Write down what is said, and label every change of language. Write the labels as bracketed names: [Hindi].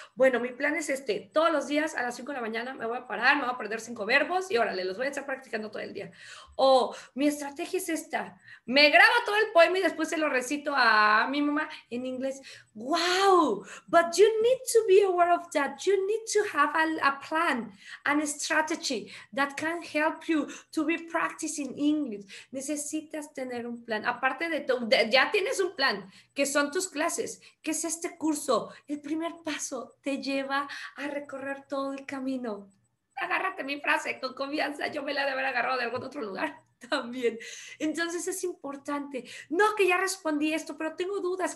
[Spanish] Bueno, mi plan es este, todos los días a las 5 de la mañana me voy a parar, me voy a aprender 5 verbos y órale, los voy a estar practicando todo el día. O mi estrategia es esta, me grabo todo el poema y después se lo recito a mi mamá en inglés. [English] Wow, but you need to be aware of that. You need to have a plan, a strategy that can help you to be practicing English. [Spanish] Necesitas tener un plan. Aparte de todo, ya tienes un plan, que son tus clases, que es este curso. El primer paso te lleva a recorrer todo el camino. Agárrate mi frase con confianza. Yo me la debo haber agarrado de algún otro lugar. También. Entonces es importante. No que ya respondí esto, pero tengo dudas.